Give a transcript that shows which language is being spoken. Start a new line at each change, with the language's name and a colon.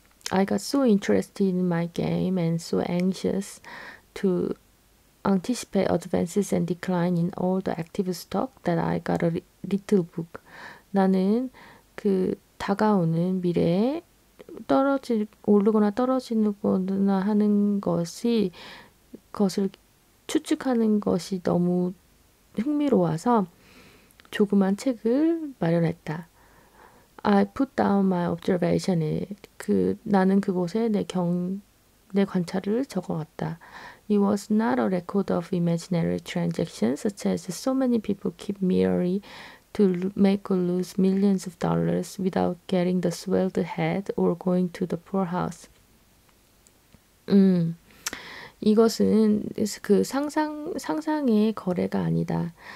English: I got so interested in my game and so anxious to anticipate advances and decline in all the active stock that I got a little book.
Korean: 나는 그 다가오는 미래에 오르거나 떨어지거나 하는 것을 추측하는 것이 너무 흥미로워서 조그만 책을 마련했다.
English: I put down my observation.
Korean: 나는 그곳에 내 관찰을 적어왔다.
English: It was not a record of imaginary transactions, such as so many people keep merely to make or lose millions of dollars without getting the swelled head or going to the poorhouse.
Korean: 이것은 그 상상의 거래가 아니다.